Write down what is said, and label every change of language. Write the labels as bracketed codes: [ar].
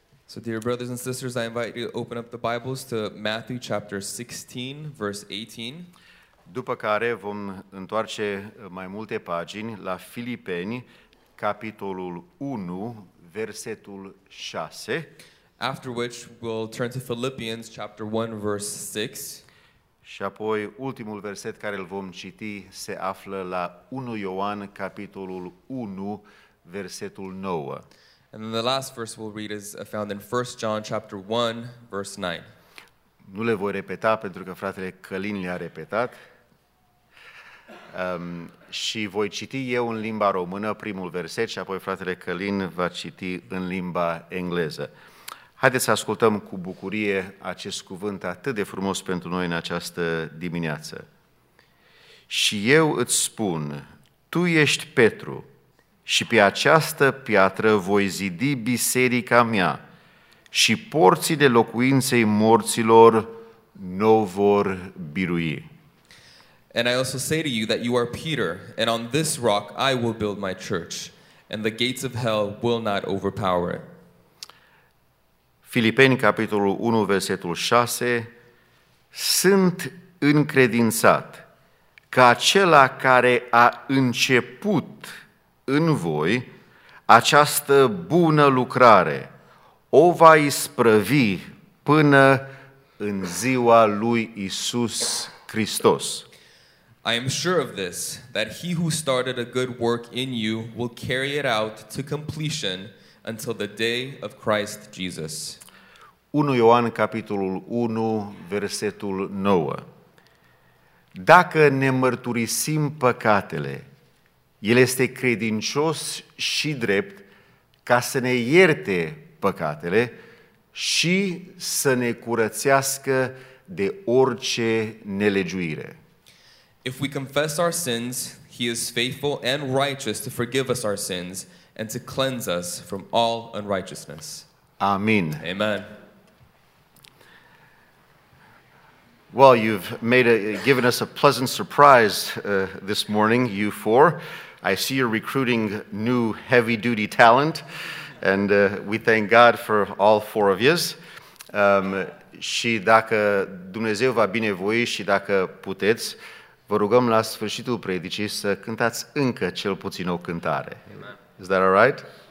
[en] So dear brothers and sisters, I invite you to open up the Bibles to Matthew chapter 16, verse 18. [ro] După care vom întoarce mai multe pagini la Filipeni, capitolul 1, versetul 6. [en] After which we'll turn to Philippians chapter 1, verse 6. [ro] Și apoi ultimul verset care îl vom citi se află la 1 Ioan, capitolul 1, versetul 9. [en] And then the last verse we'll read is found in 1 John chapter 1, verse 9. [ro] Nu le voi repeta pentru că fratele Călin le-a repetat. Și voi citi eu în limba română primul verset și apoi fratele Călin va citi în limba engleză. Haideți să ascultăm cu bucurie acest cuvânt atât de frumos pentru noi în această dimineață. Și eu îți spun, tu ești Petru. Și pe această piatră voi zidi biserica mea și porții de locuinței morților n-o vor birui. [en] And I also say to you that you are Peter, and on this rock I will build my church, and the gates of hell will not overpower it. [ro] Filipeni, capitolul 1, versetul 6, sunt încredințat că acela care a început în voi această bună lucrare o va isprăvi până în ziua lui Iisus Hristos. [en] I am sure of this, that he who started a good work in you will carry it out to completion until the day of Christ Jesus. [ro] 1 Ioan capitolul 1 versetul 9. Dacă ne mărturisim păcatele, El este credincios și drept ca să ne ierte păcatele și să ne curățească de orice nelegiuire. [en] If we confess our sins, he is faithful and righteous to forgive us our sins and to cleanse us from all unrighteousness. Amen. Amen. Well, you've given us a pleasant surprise this morning, you four. I see you're recruiting new heavy-duty talent, and we thank God for all four of you. [ro] Și dacă Dumnezeu va binevoi și dacă puteți, vă rugăm la sfârșitul predicii să cântați încă cel puțin o cântare. [en] Is that all right?